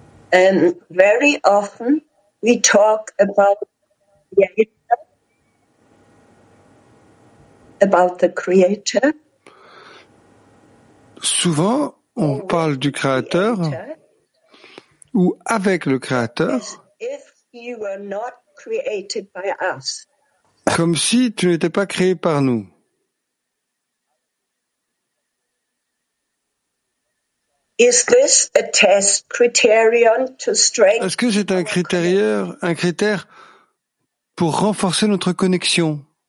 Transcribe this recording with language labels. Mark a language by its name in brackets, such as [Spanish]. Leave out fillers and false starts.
[English] Very often we talk about the creator. [French] Souvent, on parle du créateur ou avec le créateur. [English] As if you were not created by us. [French] Comme si tu n'étais pas créé par nous. [English] Is this a test criterion to strengthen? [French] Est-ce que c'est un critère pour renforcer notre connexion?